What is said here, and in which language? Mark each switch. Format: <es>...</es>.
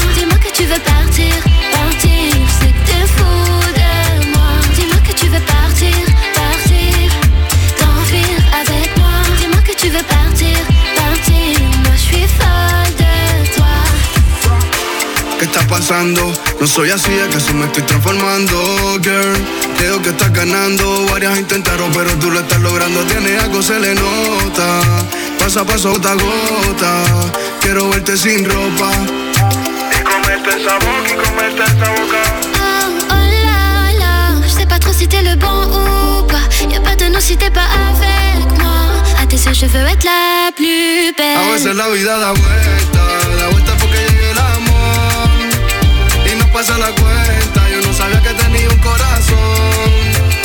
<fr>Dis-moi que tu veux partir, partir, c'est que t'es fou de moi. Dis-moi que tu veux partir, partir, t'enfuir avec moi. Dis-moi que tu veux partir, partir, moi je suis folle de toi.</fr> <es>¿Qué está pasando? No soy así, acaso me estoy transformando, girl. Creo que estás ganando, varias intentaron, pero tú lo estás logrando. Tiene algo, se le nota, paso a paso, gota a gota. Quiero verte sin ropa y comerte esa boca, y comerte esa boca.</es> <fr>Oh, oh la la, je sais pas trop si t'es le bon ou pas. Y'a pas de nous si t'es pas avec moi. A tes yeux, je veux être la plus belle.</fr> <es>A veces la vida da vuelta, la vuelta porque llega el amor. Y no pasa la cuenta, yo no sabía que tenía un corazón.</es>